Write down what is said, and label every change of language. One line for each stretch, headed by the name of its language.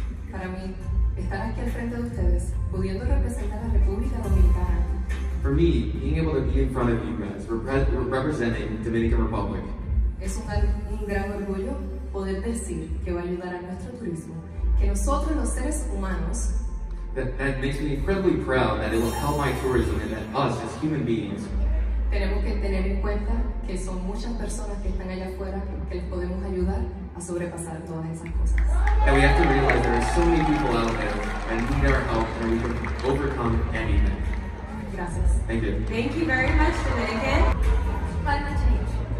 Spanish: Para mí, estar aquí al frente de ustedes, pudiendo representar a República Dominicana.
English: For me, being able to be in front of you guys, representing the Dominican Republic.
Spanish: Es un gran orgullo poder decir que va a ayudar a nuestro turismo, que nosotros los seres humanos.
English: That makes me incredibly proud that it will help my tourism and that us as human beings.
Spanish: Tenemos que tener en cuenta que son muchas personas que están allá afuera que les podemos ayudar a sobrepasar todas esas cosas.
English: And we have to realize there are so many people out there and need our help and we can overcome anything.
Spanish: Gracias.
English: Thank you. Thank you very much, Dominican. Climate change.